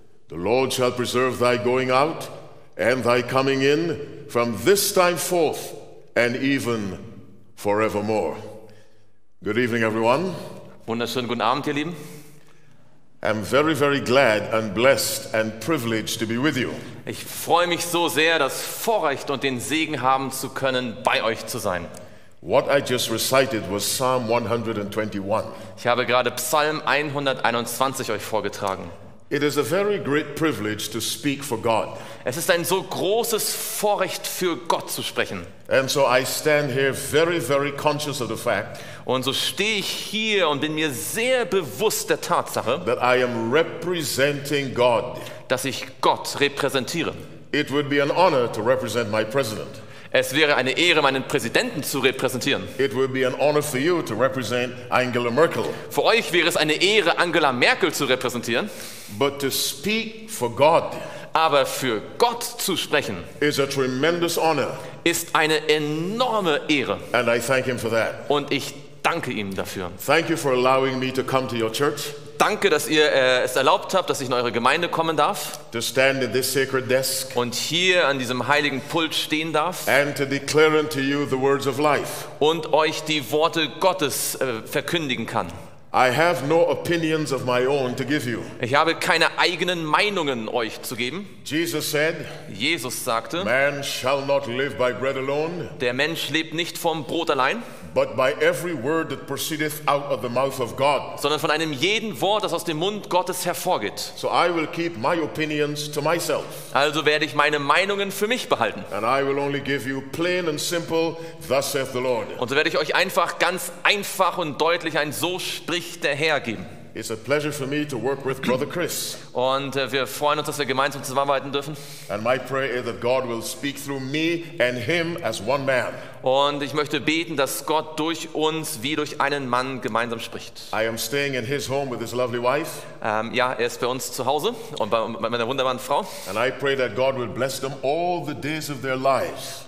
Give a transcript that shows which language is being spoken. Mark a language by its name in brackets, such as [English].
[English] The Lord shall preserve thy going out and thy coming in from this time forth and even forevermore. Good evening, everyone. [German] Wunderschönen guten Abend, ihr Lieben. [English] I'm very, very glad and blessed and privileged to be with you. [German] Ich freue mich so sehr, das Vorrecht und den Segen haben zu können, bei euch zu sein. [English] What I just recited was Psalm 121. [German] Ich habe gerade Psalm 121 euch vorgetragen. [English] It is a very great privilege to speak for God. [German] Es ist ein so großes Vorrecht für Gott zu sprechen. [English] And so I stand here very, very conscious of the fact. [German] Und so stehe ich hier und bin mir sehr bewusst der Tatsache, [English] that I am representing God. [German] Dass ich Gott repräsentiere. [English] It would be an honor to represent my president. [German] Es wäre eine Ehre, meinen Präsidenten zu repräsentieren. [English] It would be an honor for you to represent Angela Merkel. [German] Für euch wäre es eine Ehre, Angela Merkel zu repräsentieren. [English] But to speak for God, [German] aber für Gott zu sprechen, [English] is a tremendous honor. [German] Ist eine enorme Ehre. [English] And I thank him for that. [German] Und ich danke ihm dafür. [English] Thank you for allowing me to come to your church. [German] Danke, dass ihr es erlaubt habt, dass ich in eure Gemeinde kommen darf. [English] To stand at this sacred desk. [German] Und hier an diesem heiligen Pult stehen darf. [English] And to declare unto you the words of life. [German] Und euch die Worte Gottes verkündigen kann. [English] I have no opinions of my own to give you. [German] Ich habe keine eigenen Meinungen euch zu geben. [English] Jesus said, [German] Jesus sagte, [English] man shall not live by bread alone. [German] Der Mensch lebt nicht vom Brot allein. [English] But by every word that proceedeth out of the mouth of God. [German] Sondern von einem jeden Wort, das aus dem Mund Gottes hervorgeht. [English] So I will keep my opinions to myself. [German] Also werde ich meine Meinungen für mich behalten. [English] And I will only give you plain and simple, thus saith the Lord. [German] Und so werde ich euch einfach ganz einfach und deutlich ein so spricht der Herr geben. [English] It's a pleasure for me to work with Brother Chris. [German] Und wir freuen uns, dass wir gemeinsam zusammenarbeiten dürfen. [English] And my prayer is that God will speak through me and him as one man. [German] Und ich möchte beten, dass Gott durch uns wie durch einen Mann gemeinsam spricht. [English] I am staying in his home with his lovely wife. [German] Ja, er ist bei uns zu Hause und bei meiner wunderbaren Frau. [English] And I pray that God will bless them all the days of their lives.